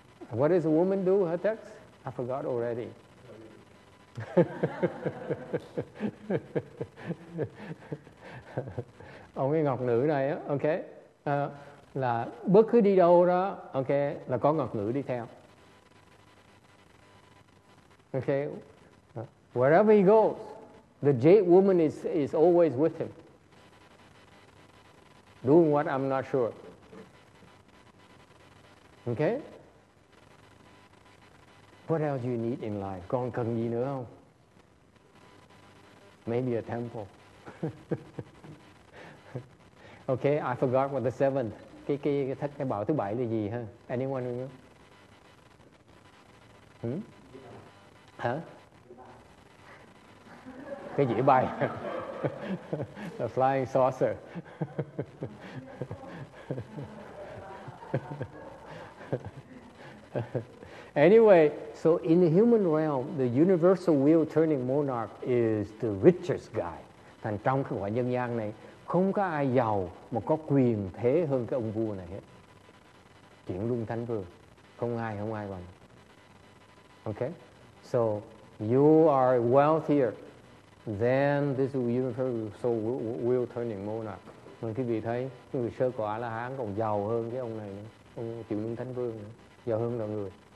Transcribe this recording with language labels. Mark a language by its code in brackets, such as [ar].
[en] What does a woman do, her text? I forgot already. [vi] Ông cái ngọc nữ này á, okay, là bất cứ đi đâu đó, okay, là có ngọc nữ đi theo. [en] Okay. Wherever he goes, the jade woman is always with him. Doing what, I'm not sure. Okay? What else do you need in life? [vi] Còn cần gì nữa không? [en] Maybe a temple. Okay, I forgot what the seventh. [vi] Cái bảo thứ bảy là gì ha? [en] Anyone remember? [vi] Cái dĩa bay. [en] The flying saucer. Anyway, so in the human realm, the universal wheel turning monarch is the richest guy. [vi] Thành trong cái quả nhân gian này, không có ai giàu mà có quyền thế hơn cái ông vua này hết. Chuyện luân thánh vương, không ai bằng. [en] Okay? So, you are wealthier than this universal wheel turning monarch. [vi] Mình quý vị thấy, người sơ quả là hán còn giàu hơn cái ông này nữa, ông chịu luân thánh vương nữa, giàu hơn mọi người.